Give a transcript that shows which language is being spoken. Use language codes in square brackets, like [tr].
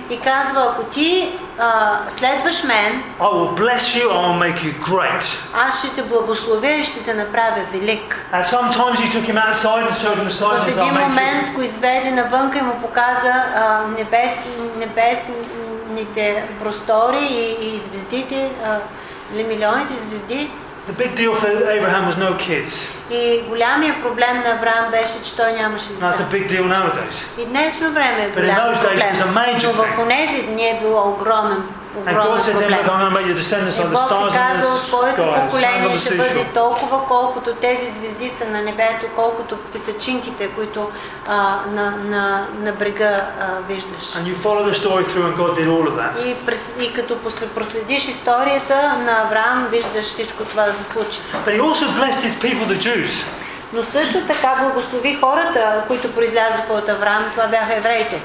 [bg] и казва, ако ти следваш мен, [en] I will bless you, I will make you great. [bg] Аз ще те благословя и ще те направя велик. [en] And sometimes he took him outside and showed him the signs. [bg] В един момент го изведе навънка и му показа небесните простори и звездите, или милионите звезди. [en] The big deal for Abraham was no kids. [bg] И голямия проблем на Авраам беше, че той нямаше деца. [en] That's a big deal nowadays. [bg] И днешно време е голям проблем. Но в онези дни е било огромен проблем. [en] And God said, I'm going to make your [bg] твоето поколение ще бъде толкова, колкото тези звезди са на небето, колкото песъчинките, които на брега виждаш. [en] And you follow the story through and God did all of that. [bg] И като проследиш историята на Авраам, виждаш всичко това да се случи. [en] But he also blessed his people, the Jews. [bg] Но също така благослови хората, които произлязоха от Авраам, това бяха евреите.